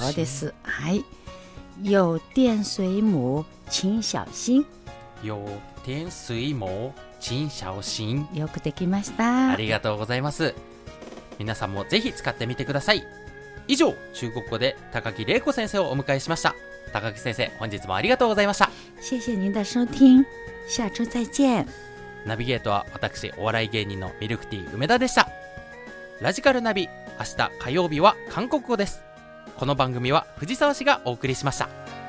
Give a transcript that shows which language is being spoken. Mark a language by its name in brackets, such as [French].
[Japanese] そうです、はい。 [Chinese] 有電水母请小心。有電水母请小心、 [Japanese] よくできました。ありがとうございます。皆さんもぜひ使ってみてください。以上、中国語で高木玲子先生をお迎えしました。高木先生、本日もありがとうございました。 [Chinese] 谢谢您的收听、下周再见。 [Japanese] ナビゲートは私、お笑い芸人のミルクティー梅田でした。ラジカルナビ、明日火曜日は韓国語です。この番組は藤沢氏がお送りしました。